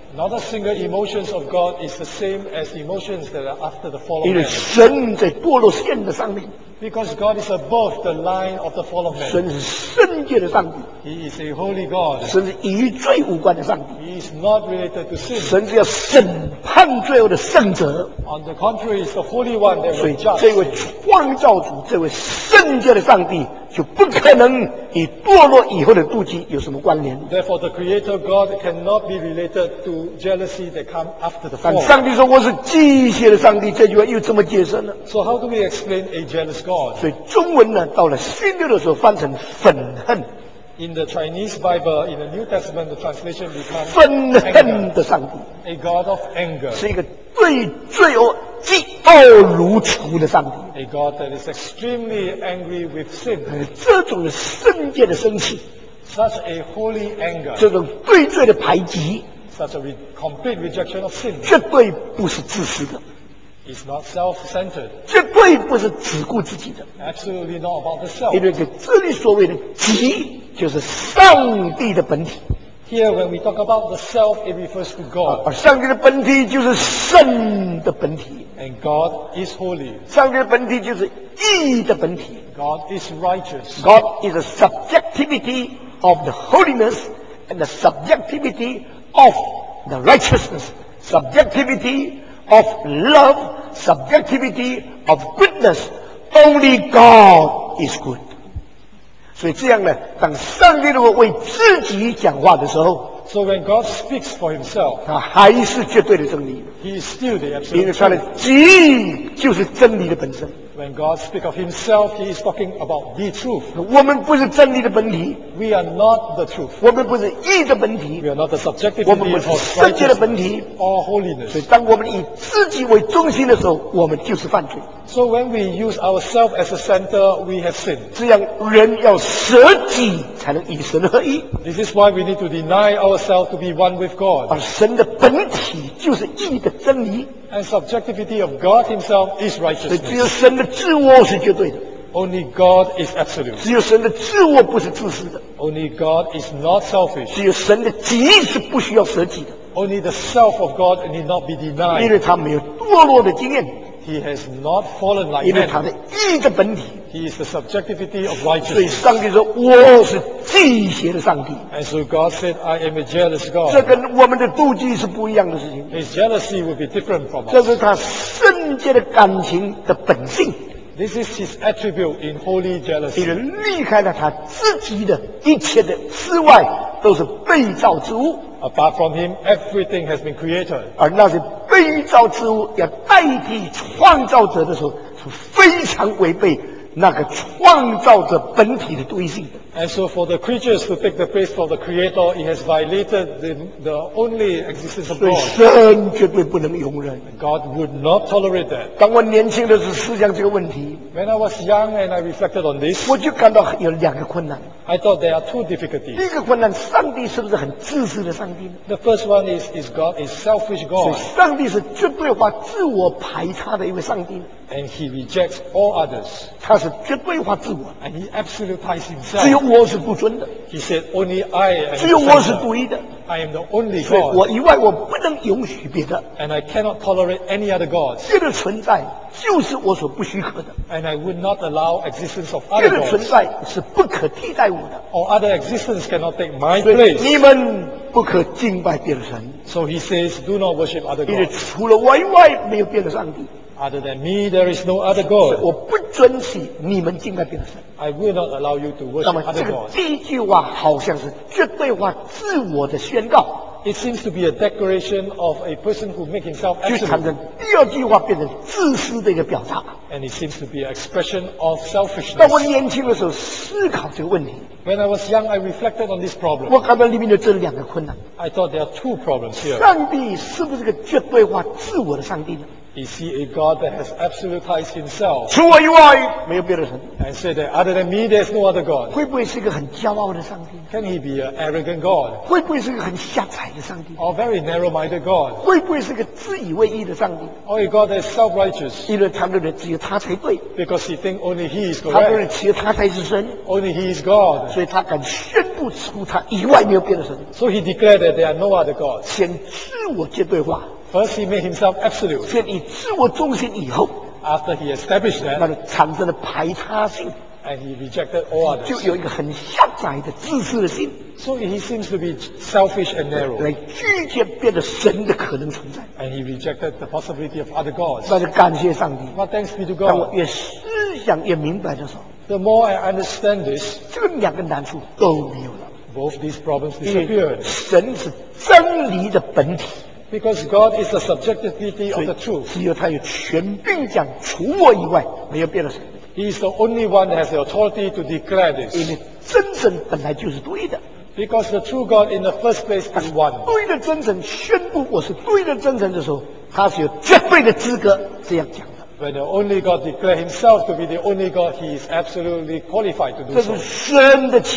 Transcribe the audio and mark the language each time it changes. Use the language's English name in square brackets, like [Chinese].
[English] Not a single emotions of God is the same as emotions that are after the fall of man. [Chinese] 因为神在堕落线的上面。 [English] Because God is above the line of the fall of man. [Chinese] 神是圣洁的上帝。 [English] He is a holy God. [Chinese] 神是与罪无关的上帝。 [English] He is not related to sin. [Chinese] 神是要审判罪恶的圣者。 [English] On the contrary, is the Holy One that will judge. [Chinese] 这位创造主，这位圣洁的上帝，就不可能与堕落以后的妒忌有什么关联。 [English] Therefore, the Creator God cannot be related to jealousy that come after the fall. [Chinese] 但上帝说我是忌邪的上帝，这句话又这么解释了。 [English] So how do we explain a jealous God? [Chinese] 所以中文呢，到了新约的时候翻成愤恨。 [English] In the Chinese Bible, in the New Testament, the translation becomes [Chinese] 愤恨的上帝 [English] a God of anger, [Chinese] 是一个对罪恶嫉恶如仇的上帝 [English] a God that is extremely angry with sin. [Chinese] 这种圣洁的生气 [English] such a holy anger, [Chinese] 这种对罪的排挤 [English] such a complete rejection of sin, [Chinese] 绝对不是自私的 [English] is not self-centered, [Chinese] 绝对不是只顾自己的 [English] absolutely not about the self. [Chinese] 因为这里所谓的嫉就是上帝的本体。 [English] Here when we talk about the self, it refers to God. [Chinese] 而上帝的本体就是圣的本体。 [English] And God is holy. [Chinese] 上帝的本体就是义的本体。 [English] God is righteous. God is the subjectivity of the holiness and the subjectivity of the righteousness. Subjectivity of love, subjectivity of goodness. Only God is good. [Chinese] 所以这样呢，当上帝如果为自己讲话的时候 [English] ，So when God speaks for Himself， [Chinese] 他还是绝对的真理。 [English] He is still the absolute truth。 [Chinese] 因为他的己就是真理的本身。 [English] When God speaks of Himself, He is talking about the truth。 [Chinese] 我们不是真理的本体。 [English] We are not the truth。 [Chinese] 我们不是义的本体。 [English] We are not the subjective。 [Chinese] 我们不是圣洁的本体。 [English] Or holiness。 [Chinese] 所以当我们以自己为中心的时候，我们就是犯罪。 [English] So when we use ourselves as a center, we have sin. [Chinese] 这样人要舍己才能与神合一。 [English] This is why we need to deny ourselves to be one with God. [Chinese] 而神的本体就是义的真理。 [English] And subjectivity of God Himself is righteousness. [Chinese] 只有神的自我是绝对的。 [English] Only God is absolute. [Chinese] 只有神的自我不是自私的。 [English] Only God is not selfish. [Chinese] 只有神的己是不需要舍己的。 [English] Only the self of God need not be denied. [Chinese] 因为他没有堕落的经验。 [English] He has not fallen like [Chinese] man. 因为他的义的本体。 [English] He is the subjectivity of righteousness. [Chinese] 所以上帝说我是忌邪的上帝。 [English] And so God said, I am a jealous God. [Chinese] 这跟我们的妒忌是不一样的事情。 [English] His jealousy will be different from us. [Chinese] 这是他圣洁的感情的本性。 [English] This is his attribute in holy jealousy. [Chinese] 因为离开了他自己的一切的之外，都是被造之物。 [English] Apart from him, everything has been created. [Chinese] 而那些被造之物要代替创造者的时候，是非常违背那个创造者本体的独一性。 [English] And so for the creatures to take the place of the creator, it has violated the only existence of God. [Chinese] 所以神绝对不能容忍。 [English] God would not tolerate that. [Chinese] 当我年轻的时候思想这个问题 [English] ，When I was young and I reflected on this, [Chinese] 我就感到有两个困难。 [English] I thought there are two difficulties. [Chinese] 第一个困难，上帝是不是很自私的上帝呢 [English] ？The first one is God a selfish God? [Chinese] 所以上帝是绝对化自我排他的一位上帝。 [English] And He rejects all others. [Chinese] 他是绝对化自我。 [English] And He absolutizes Himself. [Chinese] 只有我是不尊的。 [English] He said only I am the [Chinese] center. 只有我是独一的。 [English] I am the only God. [Chinese] 所以我以外我不能允许别的。 [English] And I cannot tolerate any other gods. [Chinese] 这个存在就是我所不许可的。 [English] And I would not allow existence of other gods. [Chinese] 这个存在是不可替代我的。 [English] Or other existence cannot take my place. [Chinese] 你们不可敬拜别的神。 [English] So He says do not worship other gods. [Chinese] 因为除了我以外没有别的上帝。 [English] Other than me, there is no other God. [Chinese] 我不准许你们敬拜别的神。 [English] I will not allow you to worship other gods. [Chinese] 那么这个第一句话好像是绝对化自我的宣告。 [English] It seems to be a declaration of a person who makes himself absolute. [Chinese] 就产生第二句话变成自私的一个表达。 [English] And it seems to be an expression of selfishness. [Chinese] 当我年轻的时候思考这个问题。 [English] When I was young, I reflected on this problem. [Chinese] 我感到里面有这两个困难。 [English] I thought there are two problems here. [Chinese] 上帝是不是个绝对化自我的上帝呢？ [English] Is he a God that has absolutized himself? [Chinese] 除我以外没有别的神。 [English] And say that other than me, there's no other God. [Chinese] 会不会是一个很骄傲的上帝 [English] ？Can he be an arrogant God? [Chinese] 会不会是一个很狭窄的上帝 [English] ？Or very narrow-minded God? [Chinese] 会不会是一个自以为意的上帝 [English] ？Or a God that's self-righteous? [Chinese] 因为他认为只有他才对。 [English] Because he thinks only he is correct. [Chinese] 他认为只有他才是神。 [English] Only he is God. [Chinese] 所以他敢宣布出他以外没有别的神。 [English] So he declared that there are no other God. [Chinese] 先自我绝对化。 [English] First, he made himself absolute. [Chinese] 先以自我中心以后 [English] ，after he established that, [Chinese] 那就产生了排他性 [English] And he rejected all others. [Chinese] 就有一个很狭窄的自私的心。 [English] So he seems to be selfish and narrow. [Chinese] 来拒绝别的神的可能存在。 [English] And he rejected the possibility of other gods. [Chinese] 那就感谢上帝。 [English] But thanks be to God. [Chinese] 当我越思想越明白的时候, [English] the more I understand this, [Chinese] 这两个难处都没有了。 [English] Both these problems disappeared. [Chinese] 神是真理的本体。 [English] Because God is the subjectivity of the truth. [Chinese] 只有他有权柄讲除我以外没有别的神。 [English] He is the only one that has the authority to declare this. [Chinese] 因为真神本来就是对的。 [English] Because the true God in the first place is one. [Chinese] 对的真神宣布我是对的真神的时候，他是有绝对的资格这样讲的。 [English] When the only God declare himself to be the only God, he is absolutely qualified to do so.